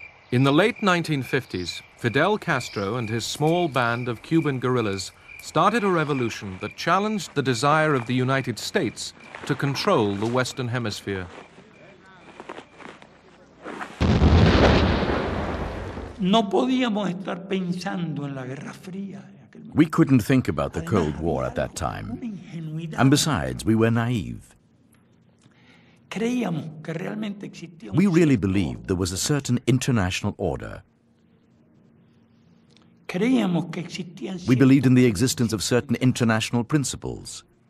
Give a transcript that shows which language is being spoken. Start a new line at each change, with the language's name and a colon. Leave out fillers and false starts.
English: In the late 1950s, Fidel Castro and his small band of Cuban guerrillas started a revolution that challenged the desire of the United States to control the Western Hemisphere.
Spanish: No podíamos estar pensando en la Guerra Fría.
English: We couldn't think about the Cold War at that time. And besides, we were naive. We really believed there was a certain international order. We believed in the existence of certain international principles.